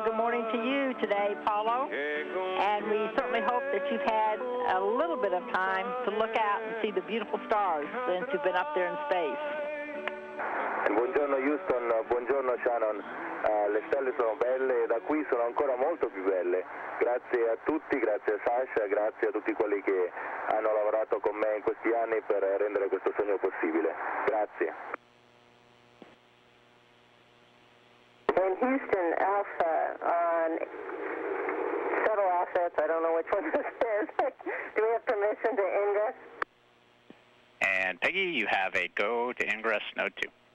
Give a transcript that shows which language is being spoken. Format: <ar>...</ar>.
<en>Today, Paolo, and we certainly hope that you've had a little bit of time to look out and see the beautiful stars since you've been up there in space.</en> <it>And buongiorno Houston, buongiorno Shannon. Le stelle sono belle e da qui sono ancora molto più belle. Grazie a tutti, grazie a Sasha, grazie a tutti quelli che hanno lavorato con me in questi anni per rendere questo sogno possibile. Grazie.</it> <en>In Houston, Alpha, on shuttle assets, I don't know which one this is. Do we have permission to ingress? And Peggy, you have a go to ingress node 2.</en>